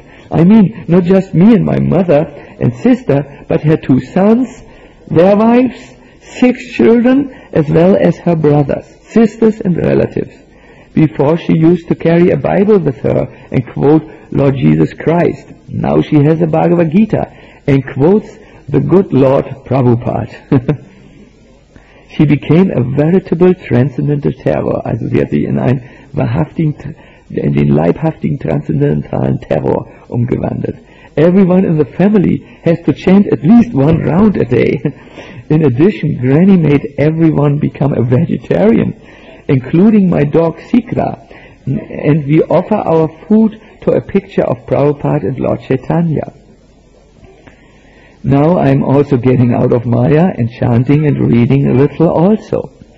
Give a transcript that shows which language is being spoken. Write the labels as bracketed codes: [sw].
[en] I mean, not just me and my mother and sister, but her two sons, their wives, six children, as well as her brothers, sisters and relatives. Before, she used to carry a Bible with her and quote Lord Jesus Christ. Now she has a Bhagavad Gita and quotes the good Lord Prabhupada. She became a veritable transcendental terror. [de] Also sie hat sich in einen wahrhaftigen, in den leibhaftigen transzendentalen Terror umgewandelt. [en] Everyone in the family has to chant at least one round a day. In addition, Granny made everyone become a vegetarian, including my dog Sikra, and we offer our food to a picture of Prabhupada and Lord Chaitanya. Now I'm also getting out of Maya and chanting and reading a little also.